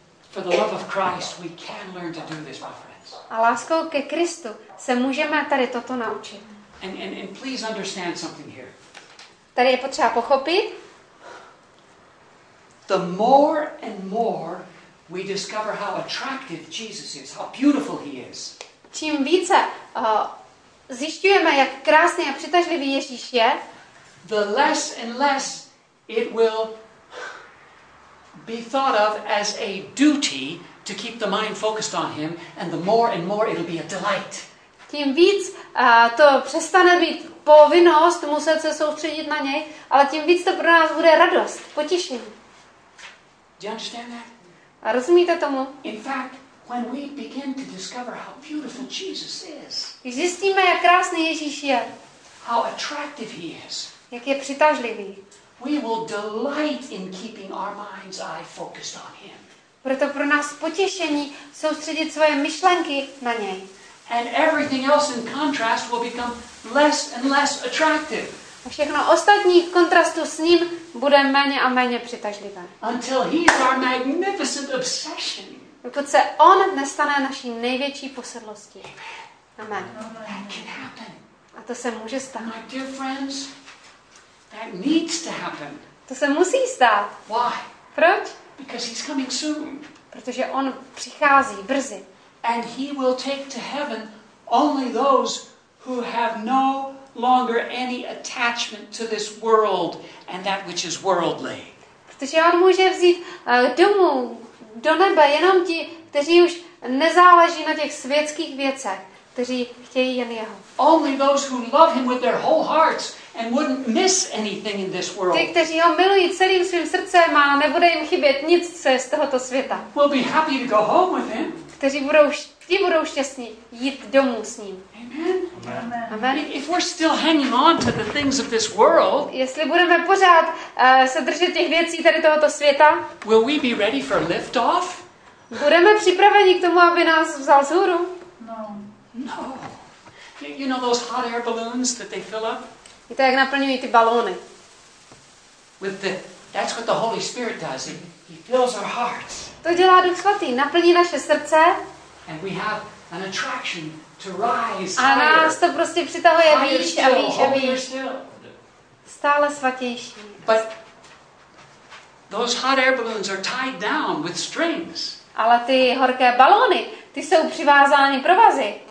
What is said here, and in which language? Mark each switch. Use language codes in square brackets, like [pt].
[en] For the love of Christ, we can learn to do this, my friends. [cs] A láskou ke Kristu se můžeme tady toto naučit. [en] And please understand something here. [cs] Tady je potřeba pochopit. [en] The more and more we discover how attractive Jesus is, how beautiful he is. [cs] Čím více zjišťujeme, jak krásný a přitažlivý Ježíš je, [en] the less and less it will be thought of as a duty to keep the mind focused on him, and the more and more it'll be a delight. [cs] Tím víc to přestane být povinnost muset se soustředit na něj, ale tím víc to pro nás bude radost, potěšení. [en] Do you understand that? [cs] A rozumíte tomu? [en] In fact, when we begin to discover how beautiful Jesus is. [cs] Když zjistíme, jak krásný Ježíš je. [en] How attractive he is. [cs] Jak je přitažlivý. [en] We will delight in keeping our mind's eye focused on him. [cs] Proto pro nás potěšení soustředit svoje myšlenky na něj. [en] And everything else in contrast will become less and less attractive. [cs] A všechno ostatní v kontrastu s ním bude méně a méně přitažlivé. [en] Until he's our magnificent obsession. [cs] Dokud se on nestane naší největší posedlostí. Amen. A to se může stát. [en] My dear friends, that needs to happen. [cs] To se musí stát. [en] Why? [cs] Proč? [en] Because he's coming soon. [cs] Protože on přichází brzy. [en] And he will take to heaven only those who have no longer any attachment to this world and that which is worldly. [cs] Protože on může vzít domů do nebe jenom ti, kteří už nezáleží na těch světských věcech, kteří chtějí jen jeho. [en] Only those who love him with their whole hearts and wouldn't miss anything in this world. [cs] Ti, kteří ho milují celým svým srdcem a nebude jim chybět nic, co je z tohoto světa. [en] Will be happy to go home with him. [cs] Ti budou šťastní jít domů s ním. [en] Amen. [cs] Amen. [en] If we're still hanging on to the things of this world, [cs] jestli budeme pořád se držet těch věcí tady tohoto světa, [en] will we be ready for lift off? [cs] Budeme připraveni k tomu, aby nás vzal vzhůru? [en] No. You know those hot air balloons that they fill up? [cs] Víte, jak naplňují ty balóny? [en] That's what the Holy Spirit does. He fills our hearts. [cs] To dělá Duch Svatý, naplní naše srdce. [en] And we have an attraction to rise. [cs] A nás to prostě přitahuje výš a výš a výš. Stále svatější. [en] But those hot air balloons are tied down with strings. [cs] Ale ty horké balóny, ty jsou přivázány provazy.